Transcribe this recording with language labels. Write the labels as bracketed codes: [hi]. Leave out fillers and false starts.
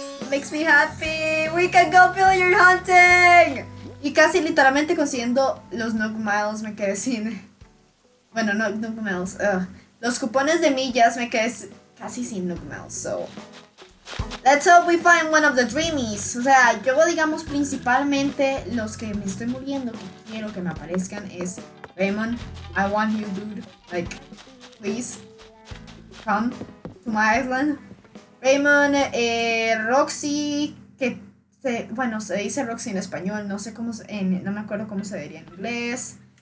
[en] Makes me happy. We can go villager hunting. [es] Y casi literalmente consiguiendo los Nook Miles me quedé sin. Bueno, no Nook Miles. Los cupones de millas me quedé casi sin Nook Miles. [en] So let's hope we find one of the dreamies. [es] O sea, yo digamos principalmente los que me estoy muriendo que quiero que me aparezcan es Raymond. [en] I want you, dude. Like, please come to my island. [es] Raymond, Roxy, que se, bueno, se dice Roxy en español, no sé cómo, no me acuerdo cómo se diría en inglés.